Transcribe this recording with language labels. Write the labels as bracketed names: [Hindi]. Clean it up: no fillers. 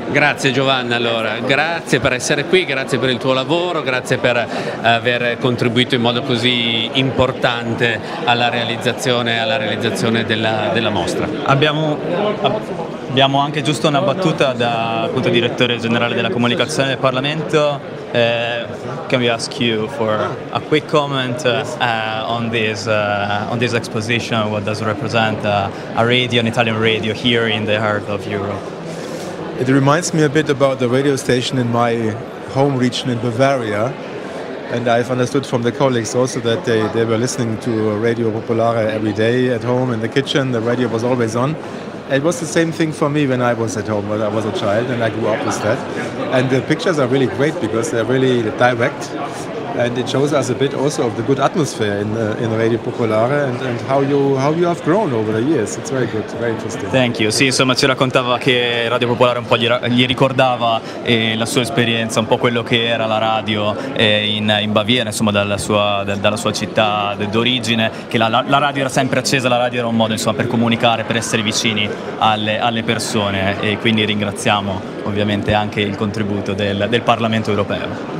[Italian] Grazie Giovanna, allora, grazie per essere qui, grazie per il tuo lavoro, grazie per aver contribuito in modo così importante alla realizzazione della mostra. Abbiamo anche giusto una battuta da, appunto, direttore generale della comunicazione del Parlamento. [English] Can we ask you for a quick comment on this exposition? What does it represent, a radio, an Italian radio here in the heart of Europe? It reminds me a bit about the radio station in my home region in Bavaria, and I've understood from the colleagues also that they were listening to Radio Popolare every day at home in the kitchen. The radio was always on. It was the same thing for me when I was at home, when I was a child and I grew up with that. And the pictures are really great because they're really direct, and it shows us a bit also of the good atmosphere in Radio Popolare and how you have grown over the years. It's very good, very interesting. Thank you. [Italian] Sì, insomma ci raccontava che Radio Popolare un po' gli ricordava la sua esperienza, un po' quello che era la radio in Baviera, insomma dalla sua città d'origine, che la radio era sempre accesa, la radio era un modo insomma per comunicare, per essere vicini alle persone, e quindi ringraziamo ovviamente anche il contributo del Parlamento Europeo.